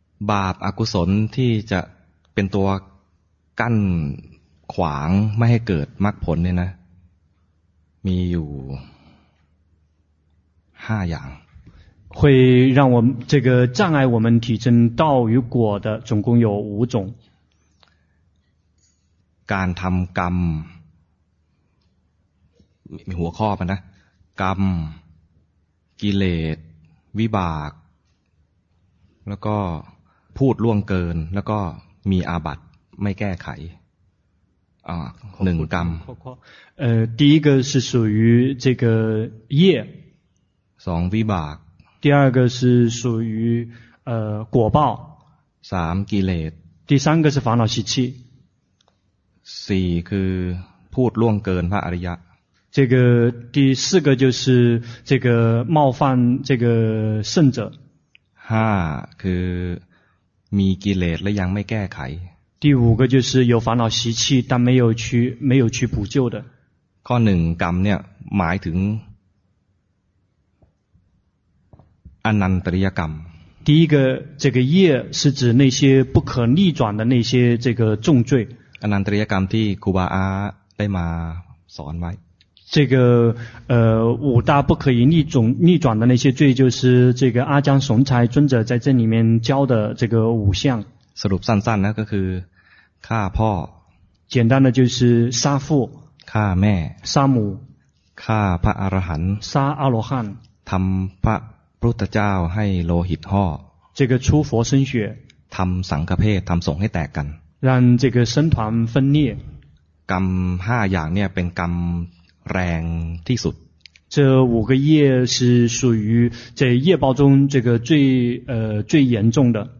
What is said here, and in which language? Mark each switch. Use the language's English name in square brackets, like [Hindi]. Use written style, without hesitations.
[Thai] บาปอกุศลที่จะเป็นตัวกั้นขวางไม่ให้เกิดมรรคผลเนี่ยนะมีอยู่5อย่าง [Chinese] 会让我们这个障碍我们提升道与果的总共有5种 [Thai] การทำกรรมมีหัวข้อมันนะกรรมกิเลสวิบากแล้วก็พูดล่วงเกินแล้วก็มีอาบัติไม่แก้ไขหนึ่งกรรม [Chinese] 第一个是属于这个业 [Thai] สองวิบาก [Chinese] 第二个是属于果报 [Thai] สามกิเลส [Chinese] 第三个是烦恼习气 [Thai] สี่คือพูดล่วงเกินพระอริยะ [Chinese] 这个第四个就是这个冒犯这个圣者 [Thai] 哈คือมีกิเลสและยังไม่แก้ไข [Chinese] 第五个就是有烦恼习气但没有去补救的 [Thai] ข้อหนึ่งกรรมเนี่ยหมายถึงอนันตริยกรรม [Chinese] 第一个这个业是指那些不可逆转的那些这个重罪 [Thai] อนันตริยกรรมที่ครูบาอาได้มาสอนไว้ [Chinese] 这个五大不可以逆转的那些罪就是这个阿姜雄才尊者在这里面教的这个五项 [Thai] สรุปสั้นๆนะก็คือฆ่าพ่อ [Chinese] 简单的就是杀父 [Thai] ฆ่าแม่ [Chinese] 杀母 [Thai] ฆ่าพระอรหันต์ [Chinese] 杀阿罗汉 [Thai] ทำพระพุทธเจ้าให้โลหิตห่อ [Chinese] 这个出佛身血 [Thai] ทำสังฆเภททำสงฆ์ให้แตกกัน [Chinese] 让这个僧团分裂 [Thai] กรรม5อย่างเนี่ยเป็นกรรมแรงที่สุด [Chinese] 这五个业是属于这业报中这个最最严重的